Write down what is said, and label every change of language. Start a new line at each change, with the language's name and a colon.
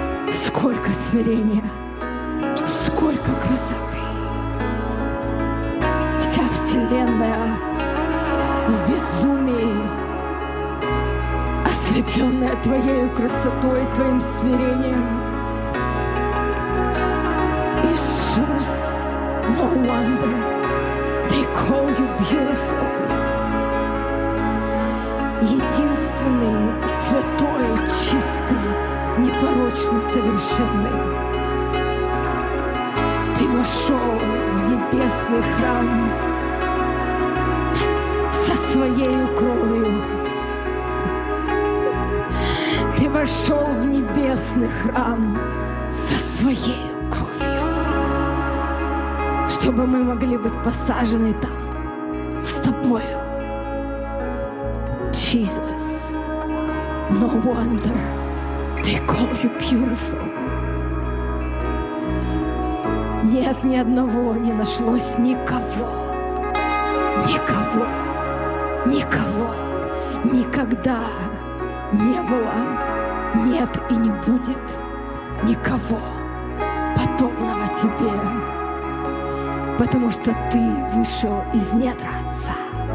Russian: Сколько смирения, сколько красоты. Вся вселенная в безумии, ослепленная твоей красотой, твоим смирением.
English: Иисус, no wonder they call you beautiful.
Russian: Единственный, святой, чистый, непорочный, совершенный. Ты вошел в небесный храм со своей кровью. Вошел в небесный храм со своей кровью, чтобы мы могли быть посажены там с тобою.
English: Jesus, no wonder they call you beautiful.
Russian: Нет ни одного, не нашлось никого, никого, никого никогда не было. Нет и не будет никого подобного тебе, потому что ты вышел из недра Отца.